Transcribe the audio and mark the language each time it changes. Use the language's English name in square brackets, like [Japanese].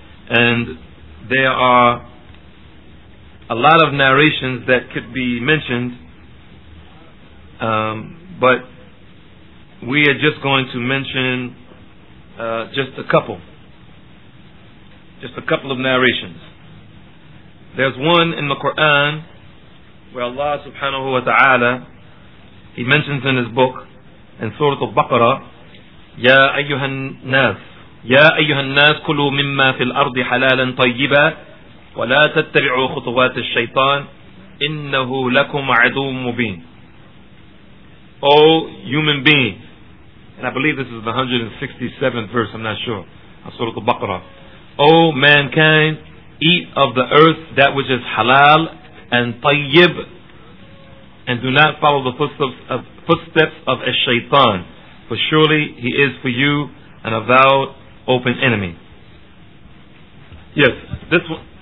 [English] And there are a lot of narrations that could be mentioned, but we are just going to mention just a couple of narrations. There's one in the Quran where Allah subhanahu wa ta'ala, he mentions in his book, in Surah Al-Baqarah, [Arabic] يَا أَيُّهَا النَّاسِ يَا أَيُّهَا النَّاسِ كُلُوا مِمَّا فِي الْأَرْضِ حَلَالًا طَيِّبًا وَلَا تَتَّبِعُوا خُطُوَاتِ الشَّيْطَانِ إِنَّهُ لَكُمْ عَدُوٌ مُبِينٌ. [English] O human beings, and I believe this is the 167th verse, I'm not sure, Surah Al-Baqarah. O mankind, eat of the earth that which is halal and tayyib, and do not follow the footsteps of a shaitan, for surely he is for you an avowed open enemy. Yes, this one.